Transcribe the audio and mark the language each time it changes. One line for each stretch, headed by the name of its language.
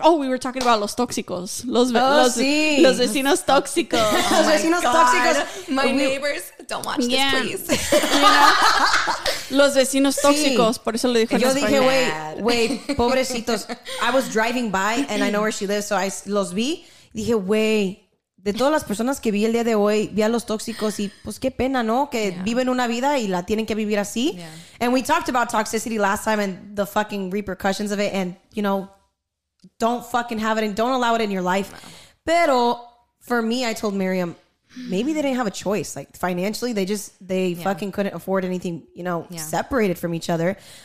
English: Oh, we were talking about
Spanish: los tóxicos. Los vecinos tóxicos. Oh, los vecinos tóxicos.
English: My neighbors, don't watch this, please. Yeah.
Spanish: Los vecinos tóxicos. Sí. Por eso le dijo yo en dije,
English: wait,
Spanish: pobrecitos.
English: I was driving by and I know where she lives, so I
Spanish: los vi. Dije, wey, de todas las personas que vi el día de hoy, vi a los tóxicos y pues qué pena, ¿no? Que viven una vida y la tienen que vivir así.
English: Yeah. And we talked about toxicity last time and the fucking repercussions of it. And, you know, don't fucking have it and don't allow it in your life. No.
Spanish: Pero
English: for me, I told Miriam, maybe they didn't have a choice. Like financially, they fucking couldn't afford anything, you know, separated from each other.